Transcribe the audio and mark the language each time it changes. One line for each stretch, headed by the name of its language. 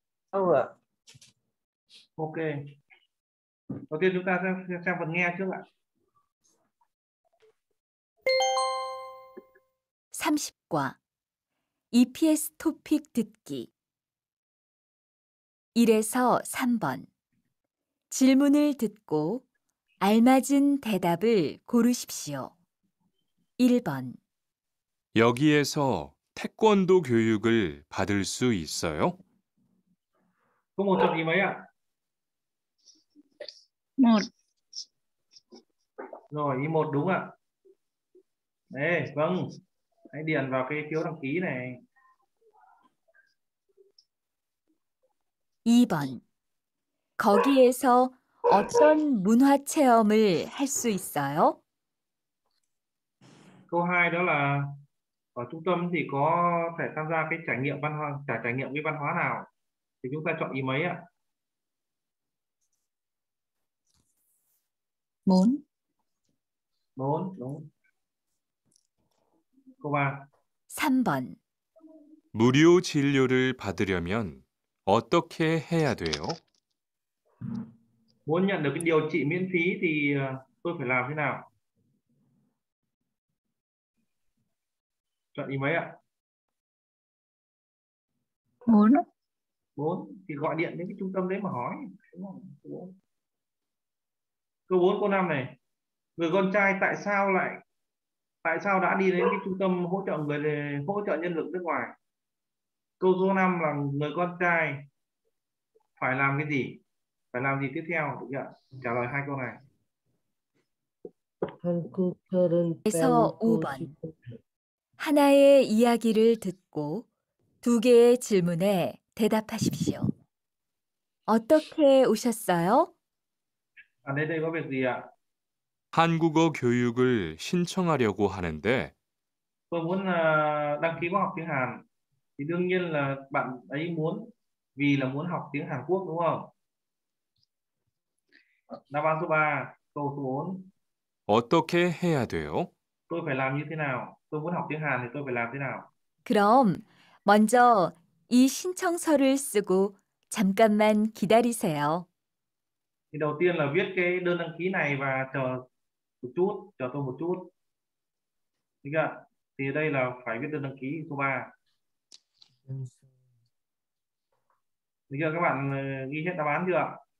English: Ok. Ok.
Vietnamese: Đầu tiên chúng ta sẽ xem phần nghe trước ạ.
Korean: 30과 EPS 토픽 듣기 1에서 3번 질문을 듣고 알맞은 대답을 고르십시오. 1번 여기에서 태권도 교육을 받을 수 있어요? 그럼 어떤 이마야? 1
Vietnamese: Rồi, E1 đúng ạ. Đây, vâng. Hãy điền vào cái phiếu đăng ký này.
Korean: 2번 거기에서 어떤 문화 체험을 할 수 있어요?
Vietnamese: Câu 2 đó là ở trung tâm thì có thể tham gia cái trải nghiệm văn hóa, trải nghiệm với văn hóa nào? Thì chúng ta chọn ý mấy ạ? 4 4 đúng. Câu 3.
Korean: 3번. 무료 진료를 받으려면 어떻게 해야 돼요?
Vietnamese: Muốn nhận được cái điều trị miễn phí thì tôi phải làm thế nào? Chọn ý mấy ạ? 4 4 thì gọi điện đến cái trung tâm đấy mà hỏi. Đúng không? 4. Câu 4, câu 5 này. Người con trai tại sao đã đi đến cái trung tâm hỗ trợ người hỗ trợ nhân lực nước ngoài? Câu số 5 là người con trai phải làm cái gì? Phải làm gì tiếp theo? Được chưa? Trả lời hai câu này.
Korean: 한국에서 5번. 하나의 이야기를 듣고 두 개의 질문에 대답하십시오. 어떻게 오셨어요? 아, 네, 이거 몇 개야? 한국어 교육을 신청하려고 하는데
Vietnamese: tôi muốn đăng ký khóa học tiếng Hàn thì đương nhiên là bạn ấy muốn vì là muốn học tiếng Hàn Quốc đúng không? Đáp án số 3, câu số 4.
Korean: 어떻게 해야 돼요?
Vietnamese: Tôi phải làm như thế nào? Tôi muốn học tiếng Hàn thì tôi phải làm thế nào?
Korean: 그럼 먼저 이 신청서를 쓰고 잠깐만 기다리세요.
Vietnamese: Thì đầu tiên là viết cái đơn đăng ký này và chờ một chút, chờ tôi một chút. Được chưa? Thì đây là phải viết đơn đăng ký số 3. Được chưa? Các bạn ghi hết đáp án chưa ạ?